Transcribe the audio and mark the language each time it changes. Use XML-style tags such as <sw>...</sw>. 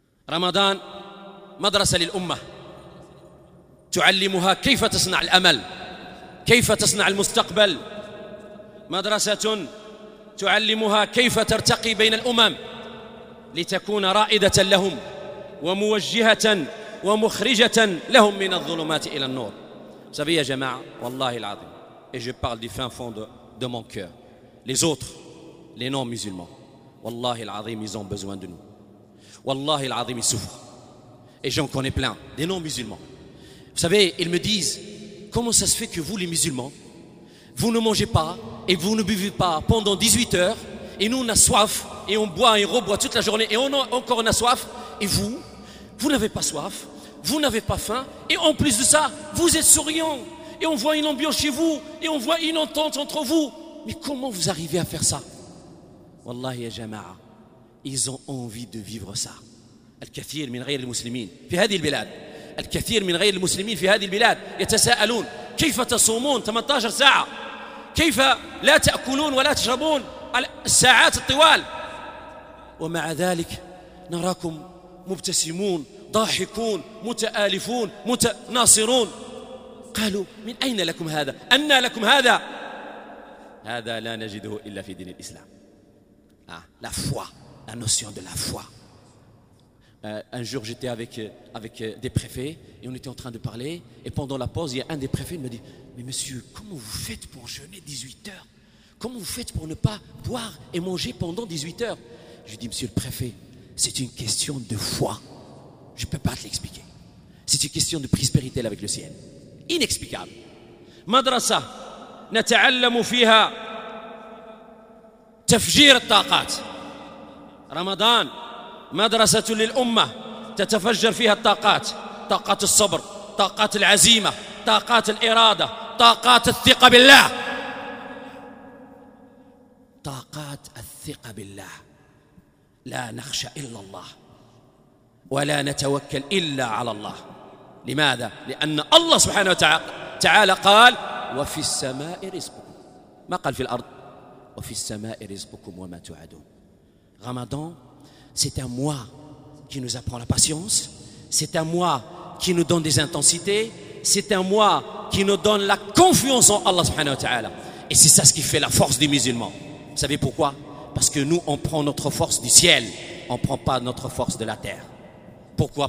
<ar>رمضان مدرسة للأمة تعلمها كيف تصنع الأمل كيف تصنع المستقبل. مدرسة تعلمها كيف ترتقي بين الأمم لتكون رائدة لهم وموجهة ومخرجة لهم من الظلمات إلى النور. سبي يا جماعة والله العظيم</ar> <fr>et je parle du fin fond de mon cœur. Les autres, les non-musulmans,</fr> <ar>والله العظيم</ar> <fr>ils ont besoin de nous. Wallahi al-Azim, ils souffrent. Et j'en connais plein, des non-musulmans. Vous savez, ils me disent, comment ça se fait que vous, les musulmans, vous ne mangez pas et vous ne buvez pas pendant 18 heures et nous, on a soif et on boit et on reboit toute la journée et on a encore soif. Et vous, vous n'avez pas soif, vous n'avez pas faim et en plus de ça, vous êtes souriant et on voit une ambiance chez vous et on voit une entente entre vous. Mais comment vous arrivez à faire ça?</fr> <ar>Wallahi ya jama'a.</ar> <fr>Ils ont envie de vivre ça.</fr> <ar>الكثير من غير المسلمين في هذه البلاد. الكثير من غير المسلمين في هذه البلاد يتساءلون كيف تصومون 18 ساعة؟ كيف لا تأكلون ولا تشربون الساعات الطوال؟ ومع ذلك نراكم مبتسمون، ضاحكون، متآلفون، متناصرون. قالوا من أين لكم هذا؟ أنى لكم هذا؟ هذا لا نجده إلا في دين الإسلام. لا فوا.</ar> <fr>La notion de la foi. Un jour, j'étais avec des préfets et on était en train de parler. Et pendant la pause, il y a un des préfets qui me dit, mais monsieur, comment vous faites pour jeûner 18 heures? Comment vous faites pour ne pas boire et manger pendant 18 heures? Je lui dis, monsieur le préfet, c'est une question de foi. Je ne peux pas te l'expliquer. C'est une question de prospérité avec le ciel. Inexplicable.</fr> <ar>Madrasa, nata'allamu fiha tafjir taqat. رمضان مدرسة للأمة تتفجر فيها الطاقات، طاقات الصبر، طاقات العزيمة، طاقات الإرادة، طاقات الثقة بالله، طاقات الثقة بالله. لا نخشى إلا الله ولا نتوكل إلا على الله. لماذا؟ لأن الله سبحانه وتعالى قال وفي السماء رزقكم، ما قال في الأرض، وفي السماء رزقكم وما توعدون.</ar> <fr>Ramadan, c'est un mois qui nous apprend la patience, c'est un mois qui nous donne des intensités, c'est un mois qui nous donne la confiance en Allah subhanahu wa ta'ala. Et c'est ça ce qui fait la force des musulmans. Vous savez pourquoi? Parce que nous, on prend notre force du ciel, on ne prend pas notre force de la terre. Pourquoi?</fr>